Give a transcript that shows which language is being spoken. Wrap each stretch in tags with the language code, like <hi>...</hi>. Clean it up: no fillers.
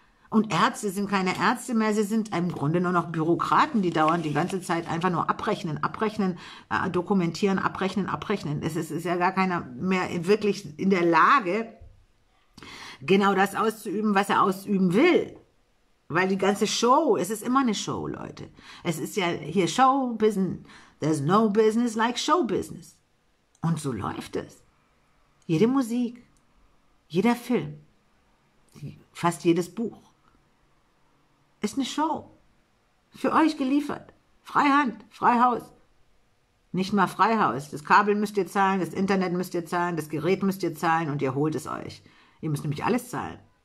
<de>Und Ärzte sind keine Ärzte mehr, sie sind im Grunde nur noch Bürokraten, die dauernd die ganze Zeit einfach nur abrechnen, abrechnen, dokumentieren, abrechnen, abrechnen. Es ist ja gar keiner mehr wirklich in der Lage, genau das auszuüben, was er ausüben will. Weil die ganze Show, es ist immer eine Show, Leute. Es ist ja hier Showbusiness.</de> <en>There's no business like Showbusiness.</en> <de>Und so läuft es. Jede Musik, jeder Film, fast jedes Buch ist eine Show. Für euch geliefert. Freihand, Freihaus. Nicht mal Freihaus. Das Kabel müsst ihr zahlen, das Internet müsst ihr zahlen, das Gerät müsst ihr zahlen und ihr holt es euch. Ihr müsst nämlich alles zahlen.</de>